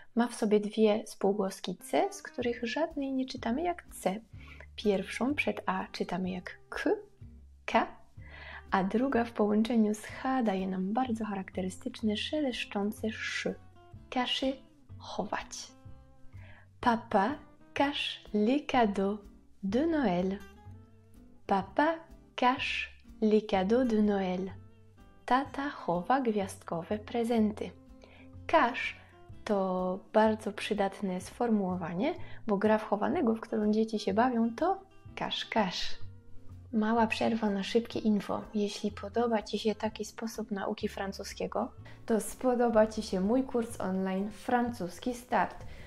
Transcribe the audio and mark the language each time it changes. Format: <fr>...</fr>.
<pl>Ma w sobie dwie spółgłoski C, z których żadnej nie czytamy jak C. Pierwszą przed A czytamy jak K, K, a druga w połączeniu z H daje nam bardzo charakterystyczne, szeleszczące sz. Caché, chować.</pl> <fr>Papa cache les cadeaux de Noël. Papa cache les cadeaux de Noël.</fr> <pl>Tata chowa gwiazdkowe prezenty. Cache to bardzo przydatne sformułowanie, bo gra w chowanego, w którą dzieci się bawią, to cache-cache. Mała przerwa na szybkie info. Jeśli podoba Ci się taki sposób nauki francuskiego, to spodoba Ci się mój kurs online Francuski Start.</pl>